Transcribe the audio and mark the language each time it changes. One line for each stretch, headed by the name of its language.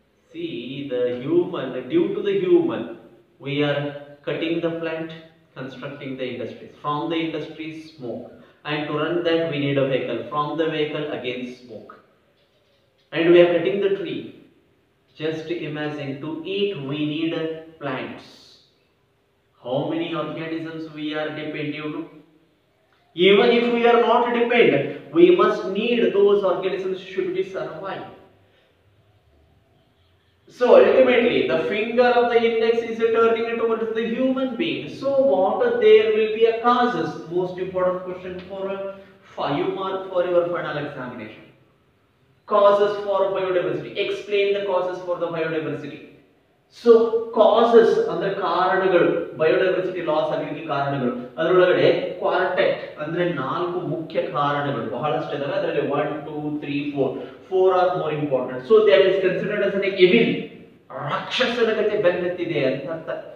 English: See the human, due to the human we are cutting the plant, constructing the industries, from the industries smoke, and to run that we need a vehicle, from the vehicle again smoke, and we are cutting the tree. Just imagine, to eat we need a plants. How many organisms we are dependent on? Even if we are not dependent, we must need those organisms should be survive. So ultimately, the finger of the index is turning towards the human being. So what there will be a causes? Most important question for 5 mark for your final examination. Causes for biodiversity. Explain the causes for the biodiversity.
Kannada: So causes ಅಂದ್ರೆ ಕಾರಣಗಳು, biodiversity loss ಆಗಲಿಕ್ಕೆ ಕಾರಣಗಳು, ಅದರೊಳಗಡೆ ಕ್ವಾರ್ಟೆಟ್ ಅಂದ್ರೆ ನಾಲ್ಕು ಮುಖ್ಯ ಕಾರಣಗಳು ಬಹಳಷ್ಟು ಇದಾವೆ, ಅದರಲ್ಲಿ 1, 2, 3, 4
English: Are more important. So they are is considered as an evil,
Kannada: ರಾಕ್ಷಸನ ಕತೆ ಬೆನ್ನತ್ತಿದೆ ಅಂತ ಅರ್ಥ.